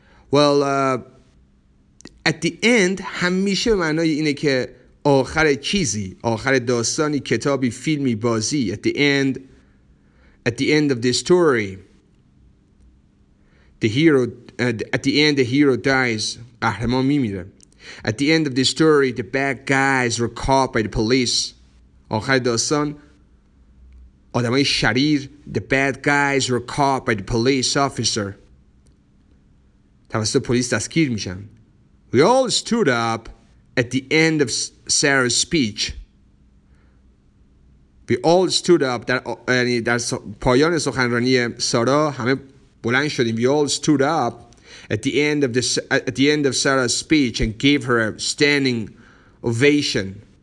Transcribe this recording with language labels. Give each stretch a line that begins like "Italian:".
English: Well, at the end,
Persian: همیشه معنای اینه که آخر چیزی، آخر داستانی، کتابی، فیلمی، بازی.
English: At the end of the story, the hero dies.
Persian: قهرمان میمیره.
English: At the end of the story, the bad guys were caught by the police.
Persian: آخر داستان، آدمای شریر.
English: The bad guys were caught by the police officer.
Persian: توسط پلیس دستگیر میشن.
English: We all stood up. At the end of Sarah's speech, we all stood up.
Persian: در پایان سخنرانی سارا همه بلند شدیم.
English: We all stood up at the end of Sarah's speech and gave her a standing ovation.